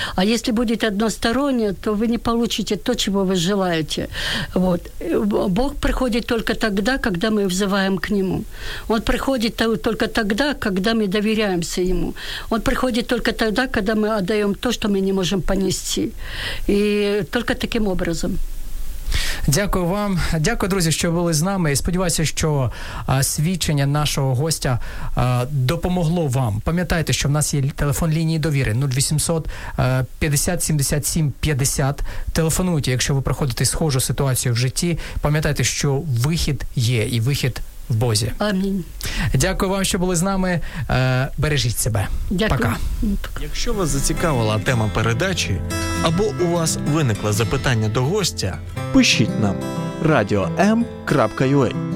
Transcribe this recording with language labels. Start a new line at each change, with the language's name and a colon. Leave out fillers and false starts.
Russian: А если будет односторонняя, то вы не получите то, чего вы желаете. Вот. Бог приходит только тогда, когда мы взываем к Нему. Он приходит только тогда, когда мы доверяемся Ему. Он приходит только тогда, когда мы отдаем то, что мы не можем понести. И только таким образом.
Ukrainian: Дякую вам. Дякую, друзі, що були з нами. Сподіваюся, що свідчення нашого гостя допомогло вам. Пам'ятайте, що в нас є телефон лінії довіри 0800 50 77 50. Телефонуйте, якщо ви проходите схожу ситуацію в житті. Пам'ятайте, що вихід є і вихід в Бозі. Амінь. Дякую вам, що були з нами. Бережіть себе. Дякую.
Russian: Пока.
Ukrainian: Якщо вас зацікавила тема передачі, або у вас виникло запитання до гостя, пишіть нам radio.m.ua.